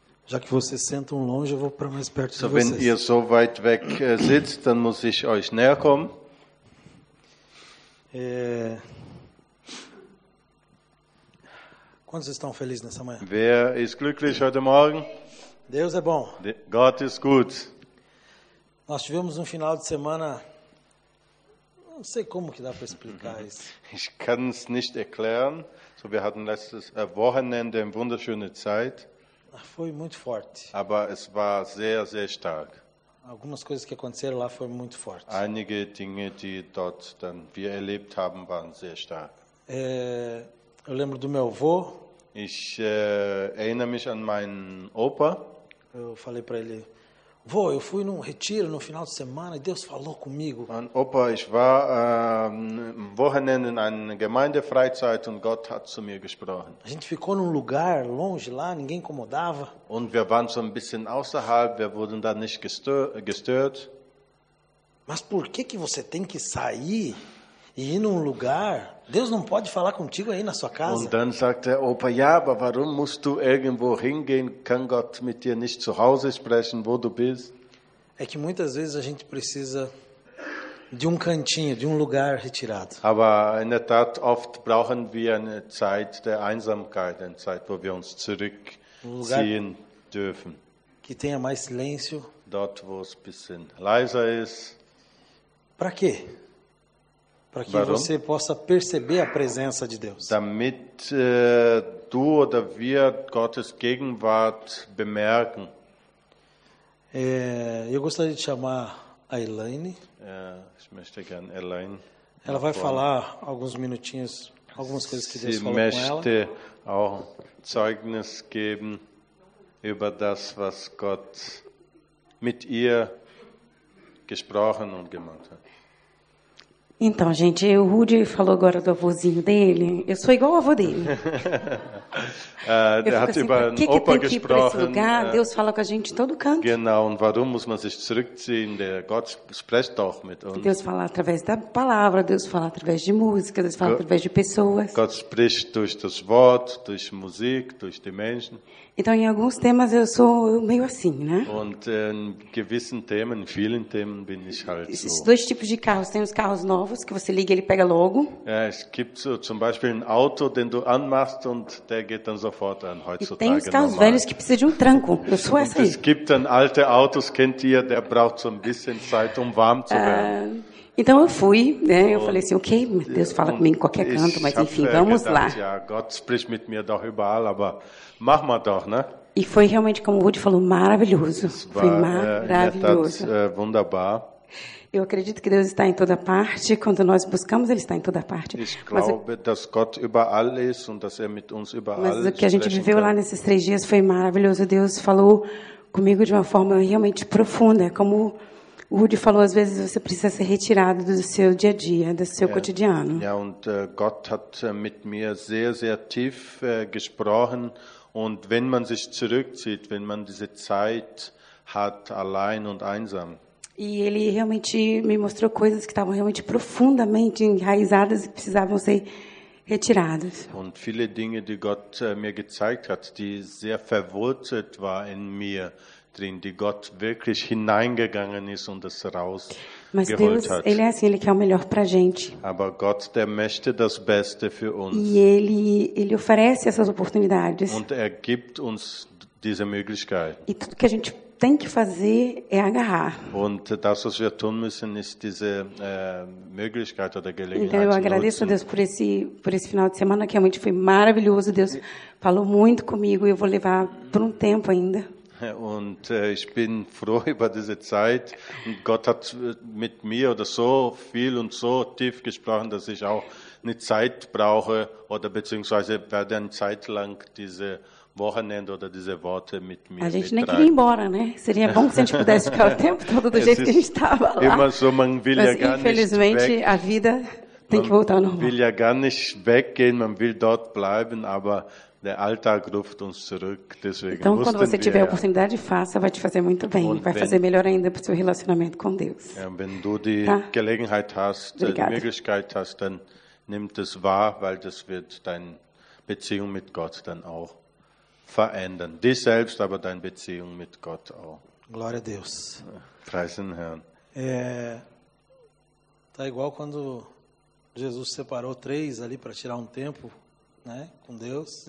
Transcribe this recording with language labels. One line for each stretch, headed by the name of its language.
Portuguese: Já que vocês sentam longe, eu vou para mais perto so de vocês.
German: Wenn ihr so weit weg sitzt, dann muss ich euch näher kommen.
Portuguese: Quantos estão felizes nessa manhã?
German: Wer ist glücklich heute Morgen?
Portuguese: Deus é bom.
German: Gott ist gut.
Portuguese: Nós tivemos final de semana, não sei como que dá para explicar isso.
German: Ich kann es nicht erklären. So, wir hatten letztes Wochenende eine wunderschöne Zeit.
Portuguese: Foi muito forte.
German: Aber es war sehr, sehr stark.
Portuguese: Algumas coisas que aconteceram lá foram muito fortes.
German: Einige Dinge, die dort dann wir erlebt haben, waren sehr stark.
Portuguese: Eu lembro do meu avô.
German: Ich erinnere mich an meinen Opa.
Portuguese: Eu falei para ele: "Vô, eu fui num retiro no final de semana e Deus falou comigo."
German: Und Opa, ich war Wochenende in einer Gemeindefreizeit und Gott hat zu mir gesprochen.
Portuguese: A gente ficou num lugar longe lá, ninguém incomodava.
German: Und wir waren so ein bisschen außerhalb, wir wurden da nicht gestört.
Portuguese: Mas por que que você tem que sair e ir num lugar? Deus não pode falar contigo aí na sua casa.
German: Und dann sagte er, Opa, ja, aber warum musst du irgendwo hingehen? Kann Gott mit dir nicht zu Hause sprechen, wo du bist?
Portuguese: É que muitas vezes a gente precisa de cantinho, de lugar retirado.
German: Aber in der Tat, oft brauchen wir eine Zeit der Einsamkeit, eine Zeit, wo wir uns zurückziehen dürfen.
Portuguese: Que tenha mais silêncio.
German: Dort, wo es ein bisschen leiser ist.
Portuguese: Para quê? Para que
German: Warum?
Portuguese: Você possa perceber a presença de Deus.
German: Damit du oder wir Gottes Gegenwart bemerken.
Portuguese: Eu gostaria de chamar a Elaine.
German: Ich möchte gerne Elaine.
Portuguese: Ela vai falar alguns minutinhos, algumas coisas que Deus falou com ela.
German: Sie möchte auch Zeugnis geben über das, was Gott mit ihr gesprochen und gemacht hat.
Portuguese: Então, gente, o Rudy falou agora do avôzinho dele. Eu sou igual ao avô dele. Ele falou assim, por que tem que ir para esse lugar? Deus fala com a gente em todo canto.
German: Genau, und warum muss man sich zurückziehen? Der Gott spricht doch mit uns.
Portuguese: Deus fala através da palavra, Deus fala através de música, Deus fala através de pessoas.
German: Gott spricht durch das Wort, durch Musik, durch die Menschen.
Portuguese: Então, em alguns temas, eu sou meio assim, né?
German: Und in gewissen Themen, in vielen Themen, bin ich halt so.
Portuguese: Esses dois tipos de carros, tem os carros novos, que você liga e ele pega logo.
German: É, es gibt so, zum Beispiel ein Auto, den du anmachst und der geht dann sofort an. Heutzutage
Portuguese: tem os carros velhos que precisam de tranco. Eu sou essa aí.
German: Es gibt dann alte Autos, kennt ihr, der braucht so ein bisschen Zeit, warm zu werden.
Portuguese: Então eu fui, né? Eu falei assim, okay, Deus fala comigo em qualquer canto, mas enfim, vamos lá.
German: Ja, Gott spricht mit mir doch überall, aber mach mal doch, ne?
Portuguese: E foi realmente, como o Rudy falou, maravilhoso. Foi maravilhoso.
German: Wunderbar.
Portuguese: Eu acredito que Deus está em toda parte. Quando nós buscamos, Ele está em toda parte. Mas o que a gente viveu lá nesses três dias foi maravilhoso. Deus falou comigo de uma forma realmente profunda. Como o Rudy falou, às vezes você precisa ser retirado do seu dia a dia, do seu cotidiano.
German: Ja, und Gott hat mit mir sehr, sehr tief gesprochen. Und wenn man sich zurückzieht, wenn man diese Zeit hat, allein und einsam.
Portuguese: E ele realmente me mostrou coisas que estavam realmente profundamente enraizadas e precisavam ser retiradas.
German: Und viele Dinge, die Gott mir gezeigt hat, die sehr verwurzelt war in mir drin, die Gott wirklich hineingegangen ist und es rausgeholt hat.
Portuguese: Mas Deus, ele é assim, ele quer o melhor pra gente.
German: Aber Gott, der möchte das Beste für uns.
Portuguese: E ele oferece essas oportunidades.
German: Und gibt uns diese Möglichkeit.
Portuguese: E tudo que a gente tem que fazer é agarrar.
German: Und das, was wir tun müssen, ist diese Möglichkeit oder Gelegenheit.
Portuguese: Então, eu agradeço a Deus por esse final de semana, que realmente foi maravilhoso. Deus falou muito comigo e eu vou levar por tempo ainda.
German: Und ich bin froh über diese Zeit. Und Gott hat mit mir oder so viel und so tief gesprochen, dass ich auch eine Zeit brauche oder beziehungsweise werde eine Zeit lang diese Wochenende oder diese Worte mit mir.
Portuguese: A gente nem queria ir embora, né? Seria bom se a gente pudesse ficar o tempo todo do jeito que a gente estava lá.
German: Immer so, man will
Portuguese: Mas
German: ja gar
Portuguese: infelizmente
German: nicht weg.
Portuguese: A vida tem que voltar ao normal.
German: Man will ja gar nicht weggehen, man will dort bleiben, aber der Alltag ruft uns zurück, deswegen.
Portuguese: Então, quando você tiver a oportunidade, faça, vai te fazer muito bem, vai fazer melhor ainda para o seu relacionamento com Deus.
German: Wenn du die Gelegenheit hast, die Möglichkeit hast, dann nimm das wahr, weil das wird deine Beziehung mit Gott dann auch verändern. Dich selbst, aber deine Beziehung mit Gott auch.
Portuguese: Glória a Deus.
German: Preisen Herrn.
Portuguese: Tá igual quando Jesus separou três ali para tirar tempo, né, com Deus.